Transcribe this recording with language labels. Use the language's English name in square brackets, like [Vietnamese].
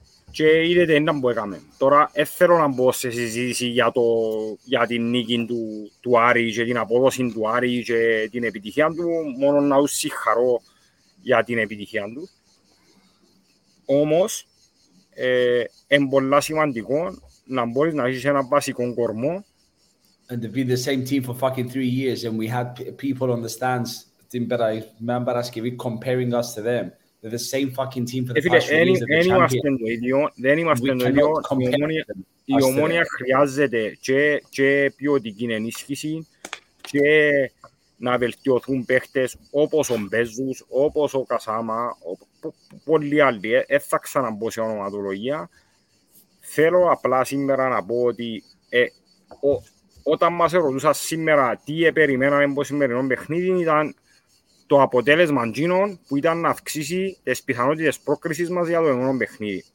[Greek] Και είδατε ένα που έκαμε. Τώρα θέλω να μπω σε συζήτηση για την νίκη του Άρη και την απόδοση του Άρη και την επιτυχία του, μόνο να τους συγχαρώ για την επιτυχία του. Όμως, είναι πολύ σημαντικό να μπορείς να έχεις ένα βασικό κορμό. [English] And to be the same team for fucking 3 years and we had people on the stands, [Greek] την Παρασκευή, [English] comparing us to them. They're the same fucking team for the past years of the champion. [Greek] Δεν είμαστε το ίδιο. Η Ομόνοια χρειάζεται και ποιοτική ενίσχυση και να βελτιωθούν παίχτες όπως ο Μπέζους, όπως ο Κασάμα, πολλοί άλλοι. Θα ξαναμπώ σε ονοματολογία. Θέλω απλά σήμερα να πω ότι όταν μας ερωτούσα σήμερα τι περιμέναμε από σημερινό παιχνίδι ήταν το αποτέλεσμα γίνων που ήταν να αυξήσει τις πιθανότητες πρόκρισης μας για το επόμενο παιχνίδι.